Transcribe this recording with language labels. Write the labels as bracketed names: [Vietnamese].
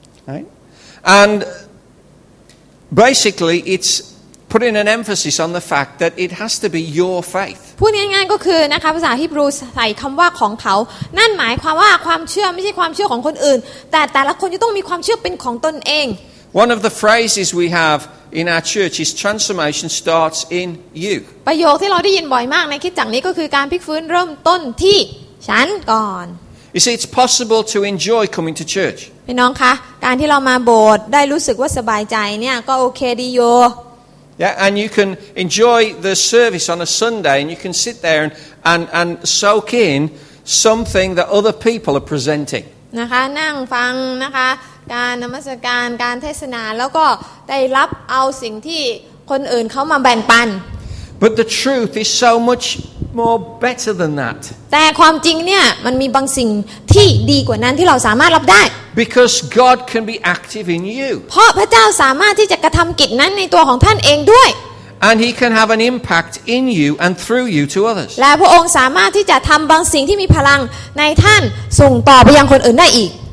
[English] right and basically it's putting an emphasis on the fact that it has to be your faith [Thai] พูดง่ายๆก็คือนะคะภาษาฮีบรูใส่คำว่าของเขานั่นหมายความว่าความเชื่อไม่ใช่ความเชื่อของคนอื่นแต่ละคนจะต้องมีความเชื่อเป็นของตนเอง [English] one of the phrases we haveIn our church, his transformation starts in you. [Thai] ประโยคที่เราได้ยินบ่อยมากในคิดจังนี้ก็คือการพลิกฟื้นเริ่มต้นที่ฉันก่อน [English] You see, it's possible to enjoy coming to church. [Thai] พี่น้องคะการที่เรามาโบสถ์ได้รู้สึกว่าสบายใจเนี่ยก็โอเคดีโย [English] Yeah, and you can enjoy the service on a Sunday, and you can sit there and soak in something that other people are presenting. [Thai] นะคะนั่งฟังนะคะการนมัสการการเทศนาแล้วก็ได้รับเอาสิ่งที่คนอื่นเขามาแบ่งปัน [English] But the truth is so much more better than that. [Thai] แต่ความจริงเนี่ยมันมีบางสิ่งที่ดีกว่านั้นที่เราสามารถรับได้ [English] Because God can be active in you. [Thai] เพราะพระเจ้าสามารถที่จะกระทำกิจนั้นในตัวของท่านเองด้วย [English] And He can have an impact in you and through you to others. [Thai] และพระองค์สามารถที่จะทำบางสิ่งที่มีพลังในท่านส่งต่อไปยังคนอื่นได้อีก